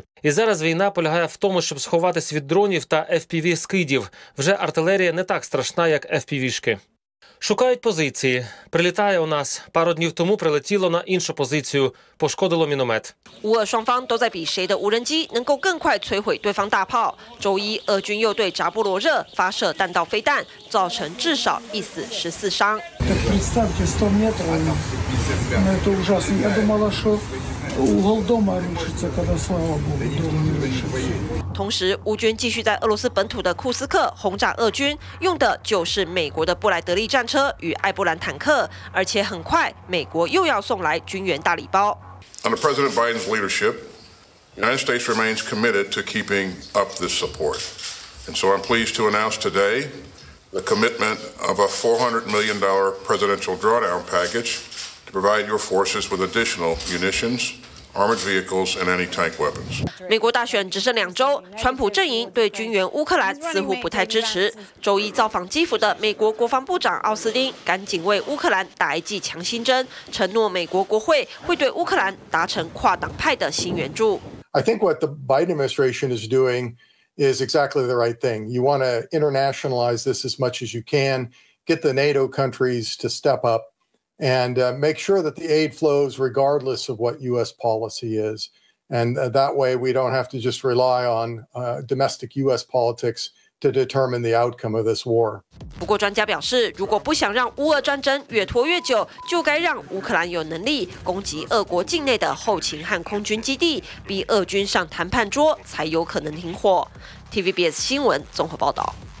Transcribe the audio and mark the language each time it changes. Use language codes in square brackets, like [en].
[uk] І зараз війна полягає в тому, щоб сховатись від дронів та FPV-скидів. Вже артилерія не так страшна, як FPV-шки. Шукають позиції. Прилітає у нас. Пару днів тому прилетіло на іншу позицію. Пошкодило міномет. [zh] 乌俄双方都在比谁的无人机能够更快摧毁对方大炮。周一，俄军又对扎波罗热发射弹道飞弹，造成至少一死十四伤。 [ru] Представьте, 100 метров, ну это ужасно. Я думала, что... Угол дома рушится, когда слава богу, дома не рушится. [zh] 同时，乌军继续在俄罗斯本土的库斯克轰炸俄军，用的就是美国的布莱德利战车与艾布兰坦克，而且很快，美国又要送来军援大礼包。 [en] Under President Biden's leadership, the United States remains committed to keeping up this support. And so I'm pleased to announce today the commitment of a $400 million presidential drawdown package. Provide your forces with additional munitions, armored vehicles, and anti-tank weapons. [zh] 美国大选只剩2周，川普阵营对军援乌克兰似乎不太支持。周一造访基辅的美国国防部长奥斯汀，赶紧为乌克兰打一剂强心针，承诺美国国会会对乌克兰达成跨党派的新援助。 [en] I think what the Biden administration is doing is exactly the right thing. You want to internationalize this as much as you can, get the NATO countries to step up. And make sure that the aid flows regardless of what U.S. policy is. And that way we don't have to just rely on domestic U.S. politics to determine the outcome of this war. [zh] 不过专家表示，如果不想让乌俄战争越拖越久，就该让乌克兰有能力攻击俄国境内的后勤和空军基地，逼俄军上谈判桌才有可能停火。TVBS 新闻综合报道。